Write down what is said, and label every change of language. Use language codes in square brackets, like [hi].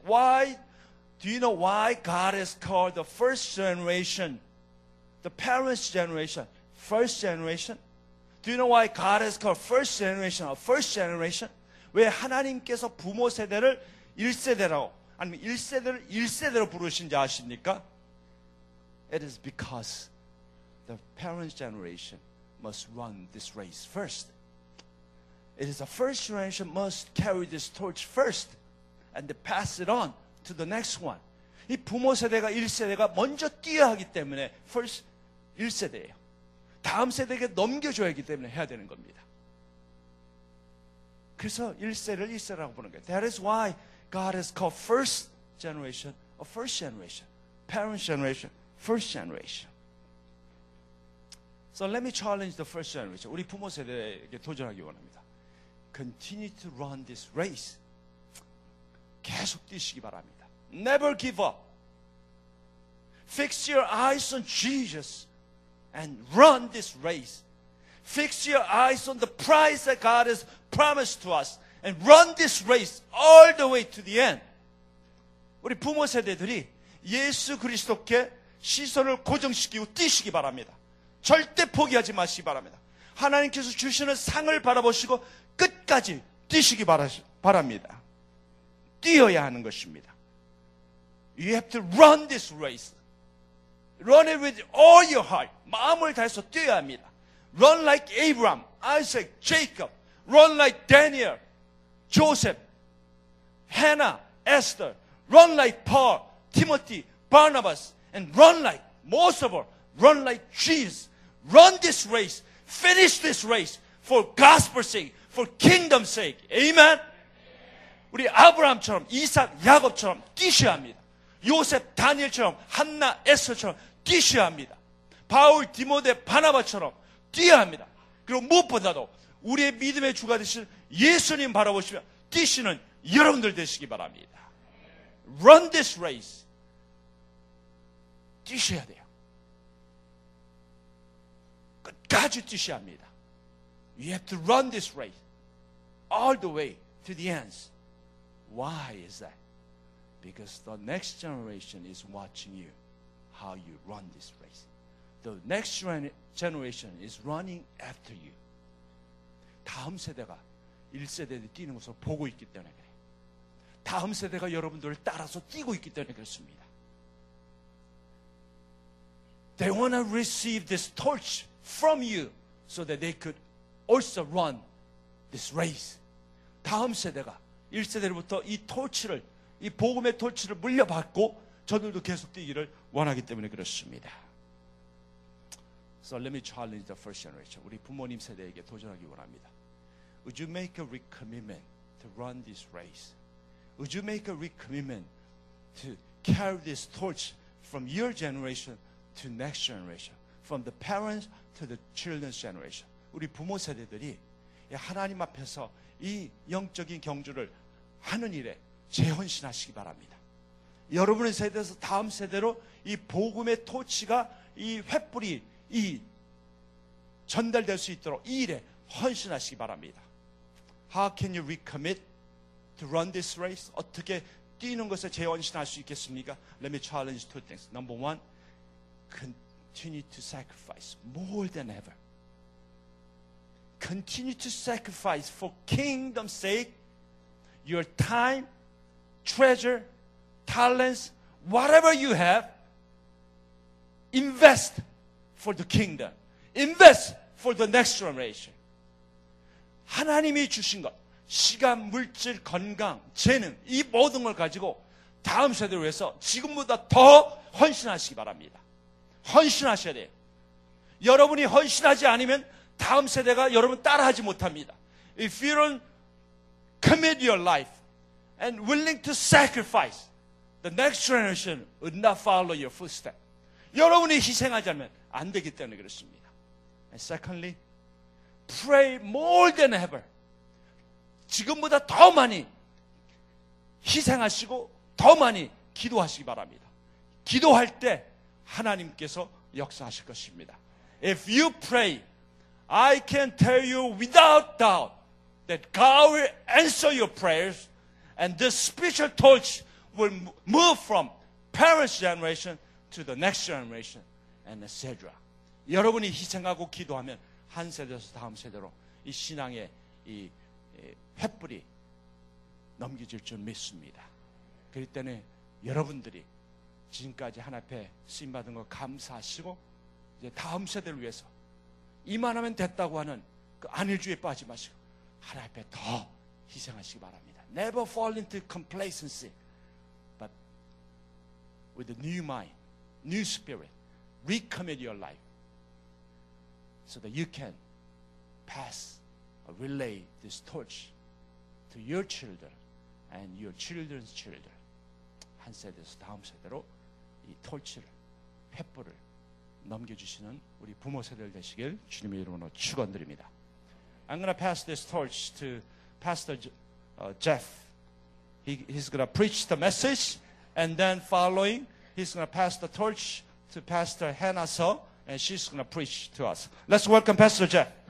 [en] Why, do you know why God has called the first generation, the parents' generation, first generation? Do you know why God has called first generation or first generation? [ko] 왜 하나님께서 부모 세대를 1세대라고, 아니면 1세대를 1세대로 부르신지 아십니까? [en] It is because the parents' generation must run this race first. It is the first generation must carry this torch first and pass it on to the next one. [ko] 이 부모 세대가 1세대가 먼저 뛰어야 하기 때문에 first 1세대예요. 다음 세대에게 넘겨줘야 하기 때문에 해야 되는 겁니다. 그래서 1세대를 1세대라고 보는 거예요. [en] That is why God has called first generation a first generation. Parents' generation, first generation. So let me challenge the first generation. [ko] 우리 부모 세대에게 도전하기 원합니다. [en] Continue to run this race. [ko] 계속 뛰시기 바랍니다. [en] Never give up. Fix your eyes on Jesus and run this race. Fix your eyes on the prize that God has promised to us and run this race all the way to the end. [ko] 우리 부모 세대들이 예수 그리스도께 시선을 고정시키고 뛰시기 바랍니다. 절대 포기하지 마시기 바랍니다. 하나님께서 주시는 상을 바라보시고 끝까지 뛰시기 바랍니다. 뛰어야 하는 것입니다. [en] You have to run this race. Run it with all your heart. [ko] 마음을 다해서 뛰어야 합니다. [en] Run like Abraham, Isaac, Jacob. Run like Daniel, Joseph, Hannah, Esther. Run like Paul, Timothy, Barnabas. And run like, most of all, run like Jesus. run this race, finish this race for gospel's sake, for kingdom's sake. Amen. [ko] 우리 아브라함처럼, 이삭, 야곱처럼 뛰셔야 합니다. 요셉, 다니엘처럼, 한나, 에스처럼 뛰셔야 합니다. 바울, 디모데, 바나바처럼 뛰어야 합니다. 그리고 무엇보다도 우리의 믿음의 주가 되신 예수님 바라보시며 뛰시는 여러분들 되시기 바랍니다. [en] Run this race. [ko] 뛰셔야 돼요. 끝까지 뛰셔야 합니다. [en] You have to run this race all the way to the ends. Why is that? Because the next generation is watching you, how you run this race. The next generation is running after you. [ko] 다음 세대가 1세대들이 뛰는 것을 보고 있기 때문에 그래. 다음 세대가 여러분들을 따라서 뛰고 있기 때문에 그렇습니다. [en] They want to receive this torch from you so that they could also run this race. [ko] 다음 세대가 1세대로부터 이 토치를, 이 복음의 토치를 물려받고 저들도 계속 뛰기를 원하기 때문에 그렇습니다. [en] So let me challenge the first generation. [ko] 우리 부모님 세대에게 도전하기 원합니다. [en] Would you make a recommitment to run this race? Would you make a recommitment to carry this torch from your generation to next generation? From the parents to the children's generation. [ko] 우리 부모 세대들이 하나님 앞에서 이 영적인 경주를 하는 일에 재헌신하시기 바랍니다. 여러분의 세대에서 다음 세대로 이 복음의 토치가 이 횃불이 이 전달될 수 있도록 이 일에 헌신하시기 바랍니다. [en] How can you recommit to run this race? [ko] 어떻게 뛰는 것에 재헌신할 수 있겠습니까? [en] Let me challenge two things. Number one, continue to sacrifice more than ever. Continue to sacrifice for kingdom's sake. Your time, treasure, talents, whatever you have, invest for the kingdom. Invest for the next generation. [ko] 하나님이 주신 것, 시간, 물질, 건강, 재능, 이 모든 걸 가지고 다음 세대를 위해서 지금보다 더 헌신하시기 바랍니다. 헌신하셔야 돼요. 여러분이 헌신하지 않으면 다음 세대가 여러분 따라하지 못합니다. [en] If you don't commit your life and willing to sacrifice, the next generation would not follow your footsteps. [ko] 여러분이 희생하지 않으면 안 되기 때문에 그렇습니다. And secondly, pray more than ever. 지금보다 더 많이 희생하시고 더 많이 기도하시기 바랍니다. 기도할 때 하나님께서 역사하실 것입니다. [en] If you pray, I can tell you without doubt that God will answer your prayers and this spiritual torch will move from parents' generation to the next generation and etc. [ko] 여러분이 희생하고 기도하면 한 세대에서 다음 세대로 이 신앙의 이 횃불이 넘겨질 줄 믿습니다. 그럴 때는 여러분들이 지금까지 하나님 앞에 쓰임받은 거 감사하시고 이제 다음 세대를 위해서 이만하면 됐다고 하는 그 안일주의에 빠지 마시고 하나님 앞에 더 희생하시기 바랍니다. [en] Never fall into complacency, but with a new mind, new spirit, recommit your life so that you can pass or relay this torch to your children and your children's children. [ko] 한 세대에서 다음 세대로 이 토치를, 횃불을 넘겨주시는 우리 부모 세대를 되시길 주님의 이름으로 축원드립니다. [en] I'm going to pass this torch to Pastor Jeff. He's going to preach the message and then following, he's going to pass the torch to Pastor Hannah So and she's going to preach to us. Let's welcome Pastor Jeff.